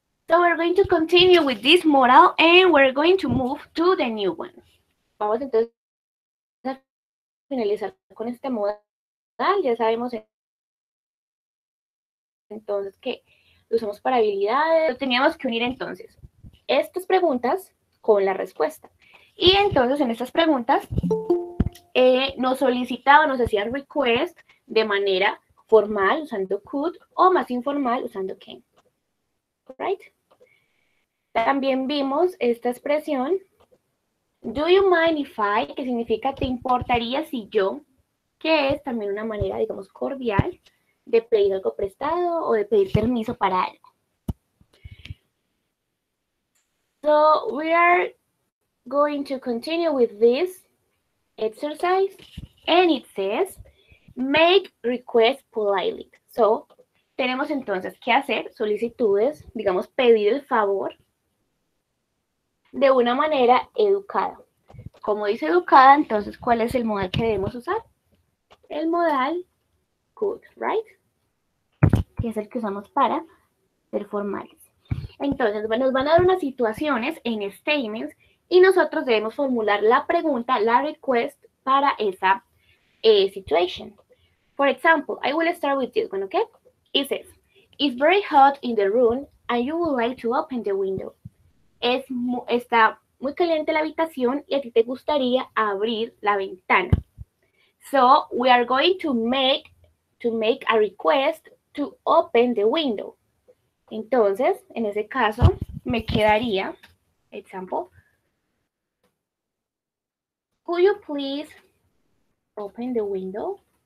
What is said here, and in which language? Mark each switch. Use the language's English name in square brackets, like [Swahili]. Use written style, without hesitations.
[English] We're going to continue with this model and we're going to move to the new one. [Spanish] Vamos entonces finalizar con este modal. Ya sabemos entonces que lo usamos para habilidades. Lo teníamos que unir entonces estas preguntas con la respuesta. Y entonces en estas preguntas nos solicitaban, nos hacían request de manera formal usando could o más informal usando can. Right? También vimos esta expresión, [English] do you mind if I, [Spanish] que significa te importaría si yo, que es también una manera, digamos, cordial de pedir algo prestado o de pedir permiso para algo. [English] So we are going to continue with this exercise and it says make requests politely. [Spanish] So tenemos entonces que hacer solicitudes, digamos, pedir el favor de una manera educada. Como dice educada, entonces, ¿cuál es el modal que debemos usar? El modal could, right? Que es el que usamos para ser formales. Entonces, bueno, nos van a dar unas situaciones en statements y nosotros debemos formular la pregunta, la request para esa situation. [English] For example, I will start with this one, okay? It says, it's very hot in the room and you would like to open the window. [Spanish] Está muy caliente la habitación y a ti te gustaría abrir la ventana. [English] So, we are going to make a request to open the window. [Spanish] Entonces, en ese caso, me quedaría, example, [English] could you please open the window?